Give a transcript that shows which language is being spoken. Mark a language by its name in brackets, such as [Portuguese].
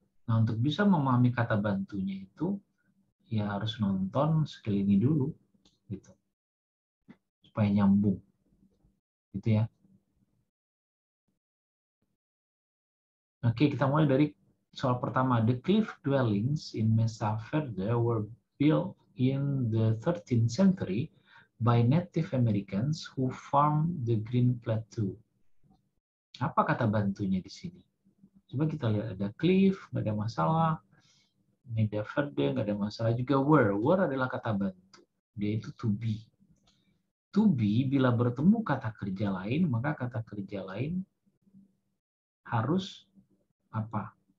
[Indonesian] Nah, untuk bisa memahami kata bantunya itu ya harus nonton skill ini dulu gitu. Supaya nyambung. Gitu ya. Oke, kita mulai dari soal pertama. [English] The cliff dwellings in Mesa Verde were built in the 13th century by Native Americans who farm the Green Plateau. [Indonesian] Apa kata bantunya di sini? Coba kita lihat, ada cliff, nggak ada masalah. Meda Verde, nggak ada masalah. Juga were. Were adalah kata bantu. Dia itu to be. To be, bila bertemu kata kerja lain, maka kata kerja lain harus apa?